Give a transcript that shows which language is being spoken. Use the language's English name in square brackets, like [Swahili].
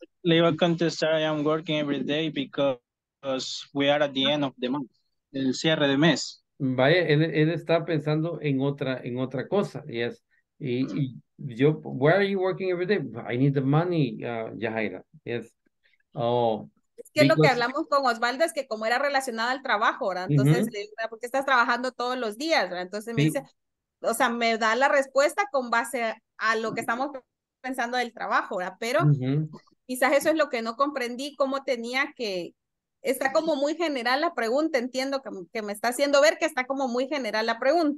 [Spanish] Le iba a contestar, [English] I am working every day because we are at the end of the month. [Spanish] El cierre de mes. Vaya, él está pensando en otra cosa, yes. Y yo, [English] where are you working every day? I need the money, Yajaira, yes. Oh. [Spanish] Es que lo que hablamos con Osvaldo es que como era relacionado al trabajo, ¿verdad? Entonces, uh-huh. ¿Por qué estás trabajando todos los días, ¿verdad? Entonces me dice, o sea, me da la respuesta con base a lo que estamos pensando del trabajo, ¿verdad? Pero uh-huh. Quizás eso es lo que no comprendí, cómo tenía que... Está como muy general la pregunta, entiendo que me está haciendo ver que está como muy general la pregunta.